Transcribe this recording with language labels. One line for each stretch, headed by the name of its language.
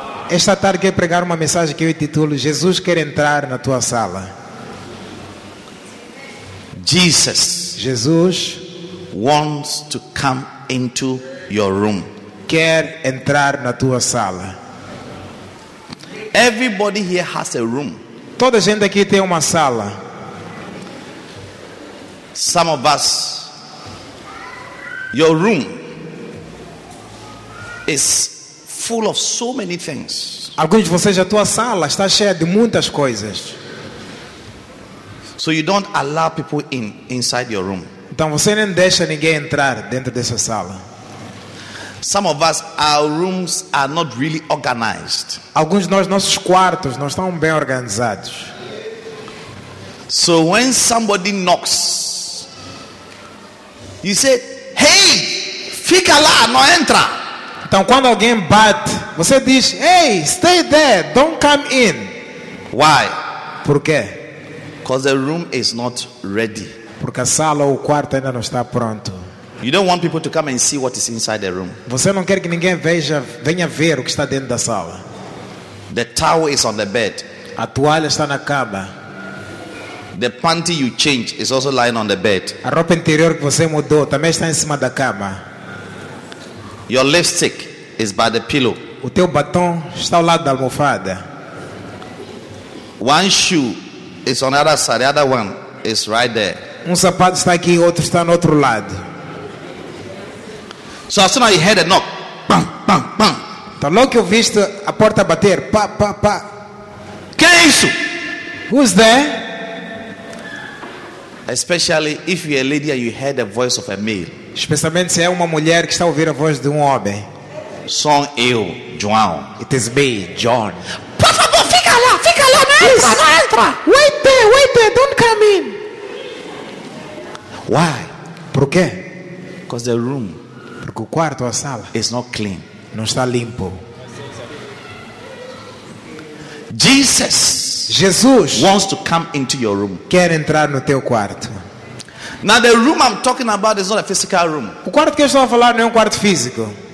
Portuguese: Esta tarde quero pregar uma mensagem que eu titulo Jesus quer entrar na tua sala.
English: Jesus, Jesus wants to come into your room.
Portuguese: Quer entrar na tua sala.
English: Everybody here has a room.
Portuguese: Toda a gente aqui tem uma sala.
English: Some of us, your room is full of so many things.
Portuguese: Alguns de vocês, a tua sala está cheia de muitas coisas.
English: So you don't allow people in inside your room.
Portuguese: Então você nem deixa ninguém entrar dentro dessa sala.
English: Some of us, our rooms are not really organized.
Portuguese: Alguns de nós, nossos quartos não estão bem organizados.
English: So when somebody knocks, you say, hey,
Portuguese: fica lá, não entra. Então quando alguém bate, você diz, hey,
English: stay there, don't come in. Why?
Portuguese: Por quê?
English: Because the room is not ready.
Portuguese: Porque a sala ou o quarto ainda não está pronto.
English: You don't want people to come and see what is inside the room.
Portuguese: Você não quer que ninguém veja, venha ver o que está dentro da sala.
English: The towel is on the bed.
Portuguese: A toalha está na cama.
English: The panty you change is also lying on the bed.
Portuguese: A roupa interior que você mudou também está em cima da cama.
English: Your lipstick is by the pillow.
Portuguese: O teu batom está ao lado da almofada.
English: One shoe is on the other side. The other one is right there.
Portuguese: Um sapato está aqui, outro está no outro lado.
English: So as soon as you hear the knock, bang, pam, pam.
Portuguese: Tá logo que eu vi a porta bater. Pá, pá, pá. Quem é isso?
English: Who's there? Especially if you're a lady and you heard the voice of a male.
Portuguese: Especialmente se é uma mulher que está a ouvir a voz de um homem. Sou eu, João.
English: It is me, John.
Portuguese: Por favor, fica lá, fica lá, não entra, não entra.
English: Wait there, don't come in. Why?
Portuguese: Por quê?
English: Because the room.
Portuguese: Porque o quarto, a sala,
English: is not clean.
Portuguese: Não está limpo.
English: Jesus wants to come into your room.
Portuguese: Quer entrar no teu quarto.
English: Now the room I'm talking about is not a physical room.
Portuguese: O quarto que eu estou a falar não é quarto físico.